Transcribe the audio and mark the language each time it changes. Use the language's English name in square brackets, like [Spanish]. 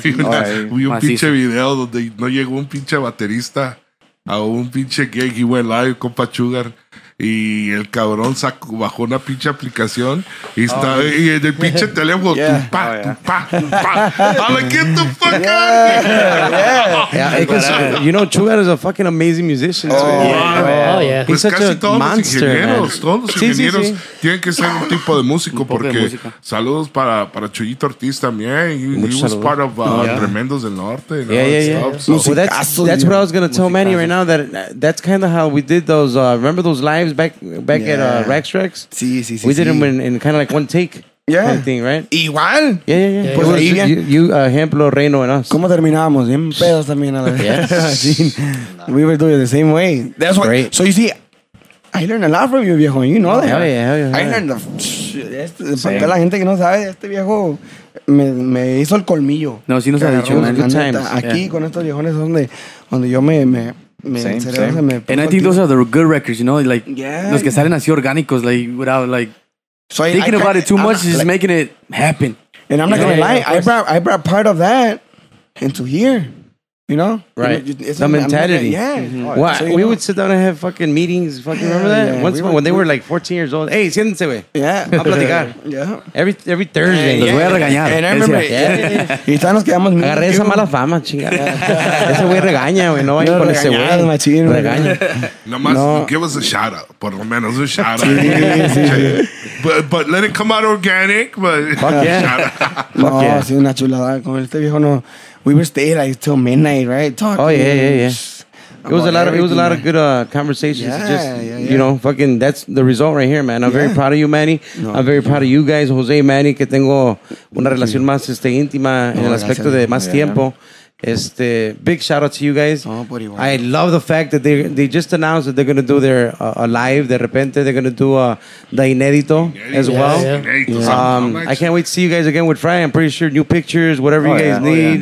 [Spanish] Vi un pinche video donde no llegó un pinche baterista a un pinche gig y [English] went live [Spanish] con compa Chugar. Y el cabrón bajó una pinche aplicación y está y en el pinche teléfono. [English] I'm like, get the fuck out of here. You know, Chugar is a fucking amazing musician. He's such a monster. [Spanish] Todos los ingenieros tienen que ser un tipo de músico. Porque saludos para Chuyito Ortiz también. [English] He was part of Tremendos del Norte. That's what I was going to tell Manny right now. That's kind of how we did those. Remember those lives? Back at Rex. [Spanish] Sí. [English] We did them in kind of like one take. Yeah. Kind of thing, right? [Spanish] Igual. Yeah. Pues ahí bien. You ejemplo, Reino and us. ¿Cómo terminábamos? Bien pedos también a la vez. [English] Yes. We were doing it the same way. That's what. Great. So you see, I learned a lot from you, viejo. You know that. Hell yeah. I learned the... [Spanish] Porque la gente que no sabe, este viejo me hizo el colmillo. No, sí nos ha dicho. Aquí, yeah, con estos viejones donde yo me [English] and I think those are the good records, you know? Like, yeah, [Spanish] los que salen así orgánicos, [English] like, without, like... So thinking about it too much is like, making it happen. And I'm not going to lie. I brought part of that into here, you know? Right. The mentality. Like, yeah. Mm-hmm. Well, we would sit down and have fucking meetings. Fucking remember that? Yeah, when they were like 14 years old. Hey, [Spanish] siéntense, güey. [English] Yeah. [Spanish] A platicar. [English] Yeah. Every Thursday. [Spanish] Los voy a regañar. [English] And I remember. Yeah. [Spanish] Y todos nos quedamos. Agarré esa mala fama, chingada. Ese güey regaña, güey. No vayan con ese güey. No, machín. Regaña. [English] Nomás, give us a shout out. [Spanish] Por lo menos un shout out. Sí. [English] But let it come out organic. But fuck yeah. [Spanish] No, ha sido una chulada. Con este viejo no. [English] We were staying like till midnight, right? Talking. Oh yeah. It was a lot of good conversations. Yeah, just yeah. You know, fucking. That's the result right here, man. I'm very proud of you, Manny. No, I'm very proud of you guys, Jose, Manny. [Spanish] Que tengo una relación más íntima en el aspecto de más tiempo. [English] Big shout out to you guys. Oh, I love the fact that they just announced that they're gonna do their live. [Spanish] De repente, [English] they're gonna do the inédito as well. Yeah. Yeah. I can't wait to see you guys again with Fry. I'm pretty sure new pictures, whatever you guys need.